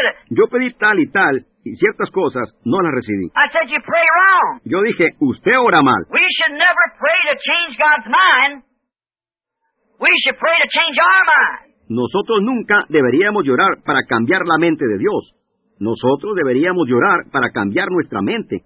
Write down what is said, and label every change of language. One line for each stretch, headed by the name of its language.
Spanish: Yo pedí tal y tal, y ciertas cosas no las recibí.
English: I said, you pray wrong.
Spanish: Yo dije, usted ora mal.
English: We should never pray to change God's mind. We should pray to change our mind.
Spanish: Nosotros nunca deberíamos llorar para cambiar la mente de Dios. Nosotros deberíamos llorar para cambiar nuestra mente.